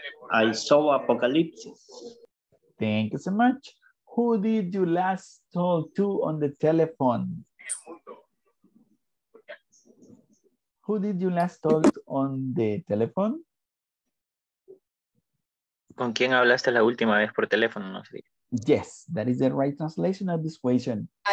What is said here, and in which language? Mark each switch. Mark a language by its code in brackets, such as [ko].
[en] I saw Apocalypse. Thank you so much. Who did you last talk to on the telephone? Who did you last talk on the telephone? [es] ¿Con quién hablaste la última vez por teléfono? No sé. [en] Yes, that is the right translation of this question.